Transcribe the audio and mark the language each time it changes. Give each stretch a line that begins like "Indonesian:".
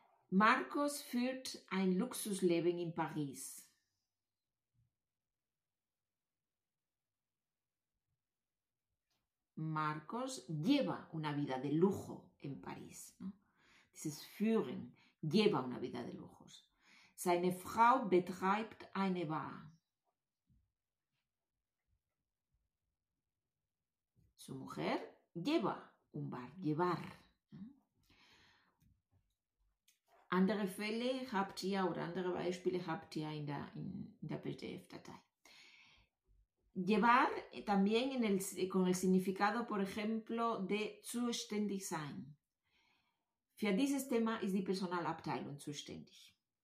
German: Marcos führt ein Luxusleben in París.
Spanish: Marcos lleva una vida de lujo en París. Dices führen, lleva una vida de lujos.
German: Seine Frau betreibt eine Bar.
Spanish: Su mujer lleva un bar, llevar.
German: Andere Fälle habt ihr oder andere Beispiele habt ihr in der PDF-Datei.
Spanish: Llevar también con el significado, por ejemplo, de zuständig sein.
German: Für dieses Thema ist die Personalabteilung zuständig.